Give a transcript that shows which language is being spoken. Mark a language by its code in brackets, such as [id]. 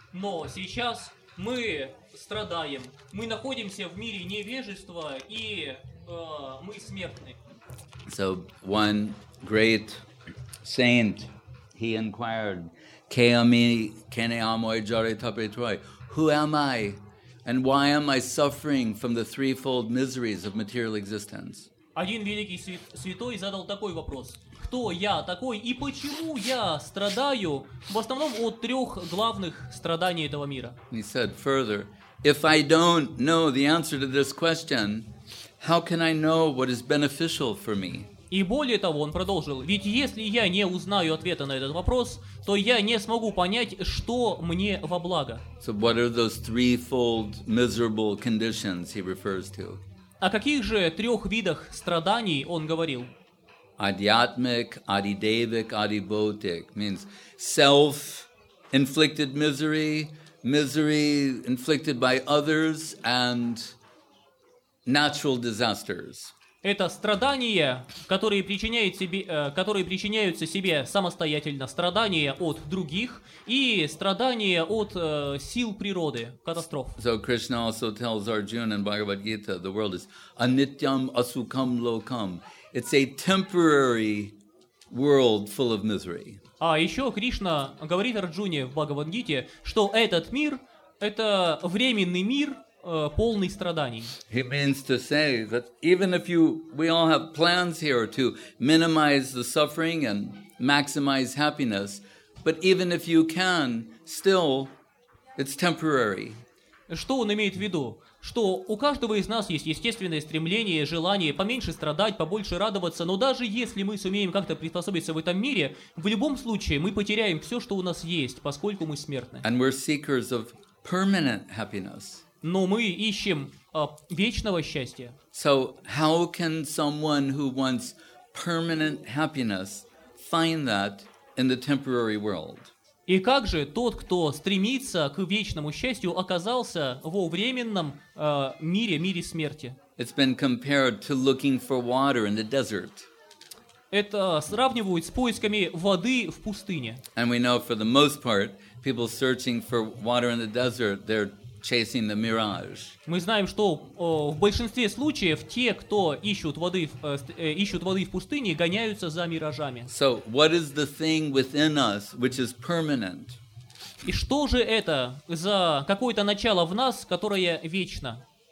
[ru] Но сейчас мы страдаем. Мы находимся в мире невежества, и мы смертны. [en] So one great saint, he inquired, [sa] Kami Kenyamoy Jare Tapre Troy, [en] who am I? And why am I suffering from the threefold miseries of material existence? [ru] Один великий святой задал такой вопрос: кто я такой и почему я страдаю в основном от трех главных страданий этого мира? [en] He said further, if I don't know the answer to this question, how can I know what is beneficial for me? [ru] И более того, он продолжил, ведь если я не узнаю ответа на этот вопрос, то я не смогу понять, что мне во благо. [en] So what are those threefold miserable conditions he refers to? [ru] О каких же трех видах страданий он говорил? [en] Adhyatmic, adidevic, adibhautic means self-inflicted misery, misery inflicted by others, and natural disasters. [ru] Это страдания, которые причиняются себе самостоятельно, страдания от других и страдания от сил природы, катастроф. [en] So Krishna also tells Arjuna in Bhagavad Gita, the world is [sa] anityam asukam lokam. [en] It's a temporary world full of misery. [ru] А еще Кришна говорит Арджуне в Бхагавад-гите, что этот мир — это временный мир, полный страданий. [en] He means to say that even if you, we all have plans here to minimize the suffering and maximize happiness, but even if you can, still, it's temporary. [ru] Что он имеет в виду? Что у каждого из нас есть естественное стремление, желание поменьше страдать, побольше радоваться, но даже если мы сумеем как-то приспособиться в этом мире, в любом случае мы потеряем все, что у нас есть, поскольку мы смертны. [en] And we're seekers of permanent happiness. [ru] Но мы ищем вечного счастья. [en] So how can someone who wants permanent happiness find that in the temporary world? [ru] И как же тот, кто стремится к вечному счастью, оказался во временном мире, мире смерти? [en] It's been compared to looking for water in the desert. [ru] Это сравнивают с поисками воды в пустыне. [en] And we know for the most part, people searching for water in the desert, they're chasing the mirage. [ru] Мы знаем, что в большинстве случаев те, кто ищут воды в пустыне, гоняются за миражами. [en] So, what is the thing within us which is permanent? [ru] И что же это за какое-то начало в нас, которое вечно?